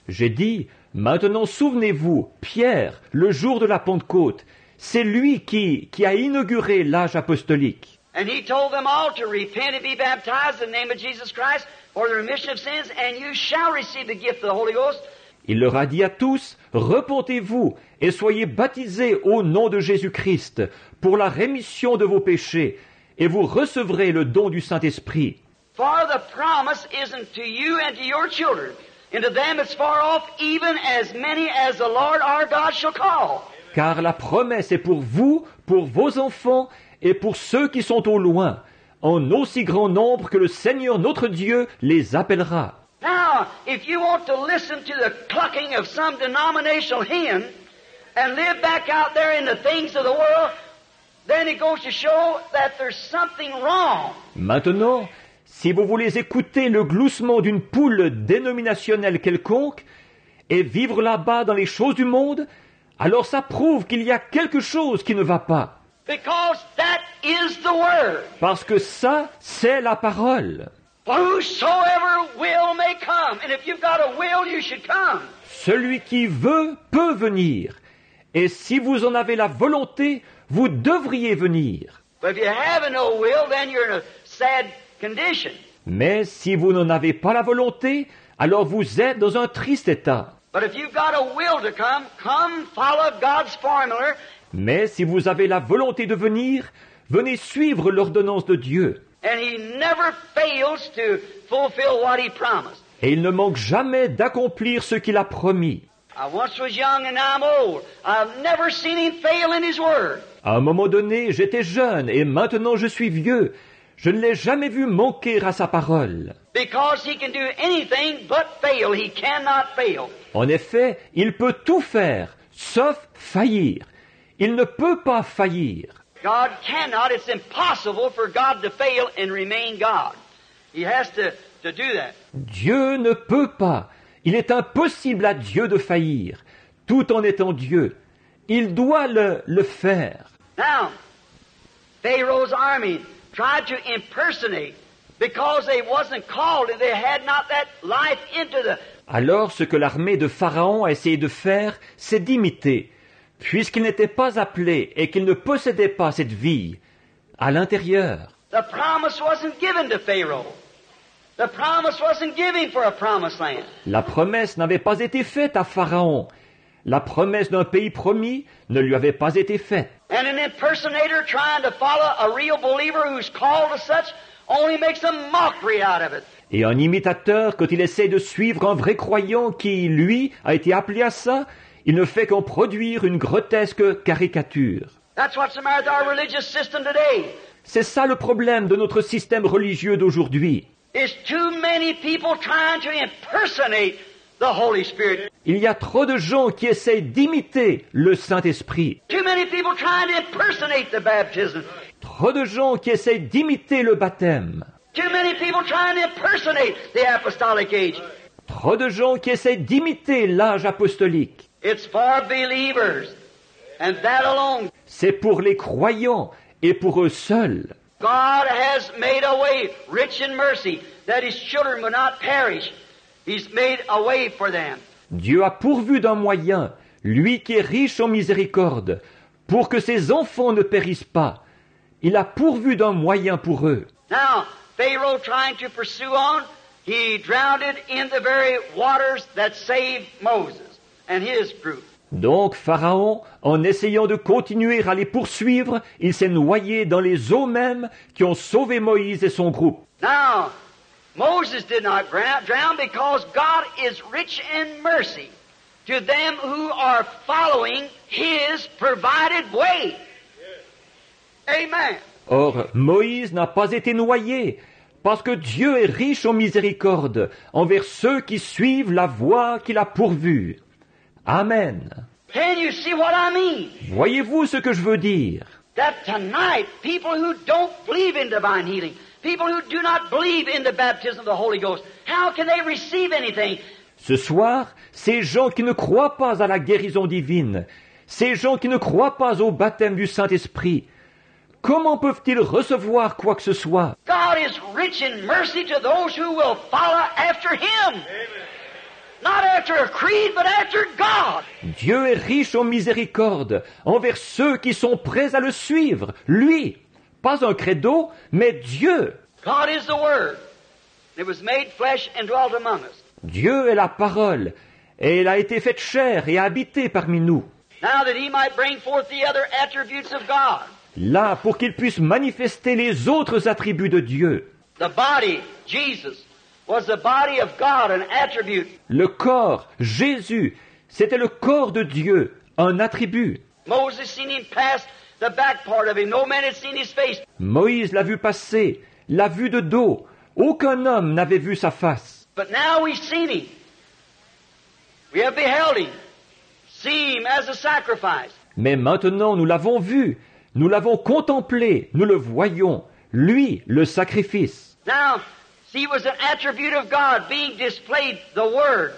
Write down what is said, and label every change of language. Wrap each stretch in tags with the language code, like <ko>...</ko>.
<fr>J'ai dit, maintenant souvenez-vous, Pierre, le jour de la Pentecôte, c'est lui qui a inauguré l'âge apostolique.</fr> <en>And he told them all to repent and be baptized in the name of Jesus Christ for the remission of sins, and you shall receive the gift of the Holy Ghost.</en> <fr>Il leur a dit à tous, repentez-vous et soyez baptisés au nom de Jésus-Christ pour la rémission de vos péchés, et vous recevrez le don du Saint-Esprit.</fr> <en>For the promise isn't to you and to your children, and to them it's far off, even as many as the Lord our God shall call.</en> <fr>Car la promesse est pour vous, pour vos enfants, et pour ceux qui sont au loin, en aussi grand nombre que le Seigneur notre Dieu les appellera.</fr> <en>Now, if you want to listen to the clucking of some denominational hen and live back out there in the things of the world, then it goes to show that there's something wrong.</en> <fr>Maintenant, si vous voulez écouter le gloussement d'une poule dénominationnelle quelconque et vivre là-bas dans les choses du monde, alors ça prouve qu'il y a quelque chose qui ne va pas.</fr> <en>Because that is the word.</en> <fr>Parce que ça, c'est la parole.</fr> <en>Whosoever will may come. And if you've got a will, you should come.</en> <fr>Celui qui veut peut venir. Et si vous en avez la volonté, vous devriez venir.</fr> <en>But if you have no will, then you're in a sad condition.</en> <fr>Mais si vous n'en avez pas la volonté, alors vous êtes dans un triste état.</fr> <en>But if you've got a will to come, come follow God's formula.</en> <fr>Mais si vous avez la volonté de venir, venez suivre l'ordonnance de Dieu.</fr> <en>And he never fails to fulfill what he promised.</en> <fr>Et il ne manque jamais d'accomplir ce qu'il a promis.</fr> <en>I once was young and I'm old. I've never seen him fail in his word.</en> <fr>À un moment donné, j'étais jeune et maintenant je suis vieux. Je ne l'ai jamais vu manquer à sa parole.</fr> <en>Because he can do anything but fail. He cannot fail.</en> <fr>En effet, il peut tout faire, sauf faillir. Il ne peut pas faillir.</fr> <en>God cannot, it's impossible for God to fail and remain God. He has to do that.</en> <fr>Dieu ne peut pas. Il est impossible à Dieu de faillir, tout en étant Dieu. Il doit le faire.</fr> <en>Now, Pharaoh's army tried to impersonate because they wasn't called and they had not that life into the...</en> <fr>Alors, ce que l'armée de Pharaon a essayé de faire, c'est d'imiter. Puisqu'il n'était pas appelé et qu'il ne possédait pas cette vie à l'intérieur.</fr> <en>The promise wasn't given to Pharaoh. The promise wasn't given for a promised land.</en> <fr>La promesse n'avait pas été faite à Pharaon. La promesse d'un pays promis ne lui avait pas été faite.</fr> <en>And an impersonator trying to follow a real believer who's called to such only makes a mockery out of it.</en> <fr>Et un imitateur, quand il essaie de suivre un vrai croyant qui, lui, a été appelé à ça, il ne fait qu'en produire une grotesque caricature.</fr> <en>That's what's the matter with our religious system today.</en> <fr>C'est ça le problème de notre système religieux d'aujourd'hui.</fr> <en>It's too many people trying to impersonate the Holy Spirit.</en> <fr>Il y a trop de gens qui essayent d'imiter le Saint-Esprit.</fr> <en>Too many people trying to impersonate the baptism.</en> <fr>Trop de gens qui essayent d'imiter le baptême.</fr> <en>Too many people trying to impersonate the apostolic age.</en> <fr>Trop de gens qui essayent d'imiter l'âge apostolique.</fr> <en>It's for believers, and that alone.</en> <fr>C'est pour les croyants et pour eux seuls.</fr> <en>God has made a way, rich in mercy, that his children will not perish. He's made a way for them.</en> <fr>Dieu a pourvu d'un moyen, lui qui est riche en miséricorde, pour que ses enfants ne périssent pas. Il a pourvu d'un moyen pour eux.</fr> <en>Now, Pharaoh trying to pursue on, he drowned in the very waters that saved Moses. And his group.</en> <fr>Donc Pharaon, en essayant de continuer à les poursuivre, il s'est noyé dans les eaux mêmes qui ont sauvé Moïse et son groupe.</fr> <en>Now, Moses did not drown because God is rich in mercy to them who are following his provided way. Amen.</en> <fr>Or, Moïse n'a pas été noyé parce que Dieu est riche en miséricorde envers ceux qui suivent la voie qu'il a pourvue. Amen.</fr> <en>Can you see what I mean?</en> <fr>Voyez-vous ce que je veux dire?</fr> <en>That tonight, people who don't believe in divine healing, people who do not believe in the baptism of the Holy Ghost, how can they receive anything?</en> <fr>Ce soir, ces gens qui ne croient pas à la guérison divine, ces gens qui ne croient pas au baptême du Saint-Esprit, Comment peuvent-ils recevoir quoi que ce soit?</fr> <en>God is rich in mercy to those who will follow after him. Amen. Not after a creed, but after God.</en> <fr>Dieu est riche en miséricorde envers ceux qui sont prêts à le suivre, lui, pas un credo, mais Dieu.</fr> <en>God is the word. It was made flesh and dwelt among us.</en> <fr>Dieu est la parole et elle a été faite chair et habitée parmi nous.</fr> <en>Now that he might bring forth the other attributes of God.</en> <fr>Là, pour qu'il puisse manifester les autres attributs de Dieu.</fr> <en>The body, Jesus, was the body of God, an attribute.</en> <fr>Le corps, Jésus, c'était le corps de Dieu, un attribut.</fr> <en>Moses seen him pass the back part of him. No man had seen his face.</en> <fr>Moïse l'a vu passer, l'a vu de dos. Aucun homme n'avait vu sa face.</fr> <en>But now we've seen him. We have beheld him. See him as a sacrifice.</en> <fr>Mais maintenant, nous l'avons vu. Nous l'avons contemplé, nous le voyons, lui, le sacrifice.</fr> <en>Now, he was an attribute of God being displayed, the Word.</en>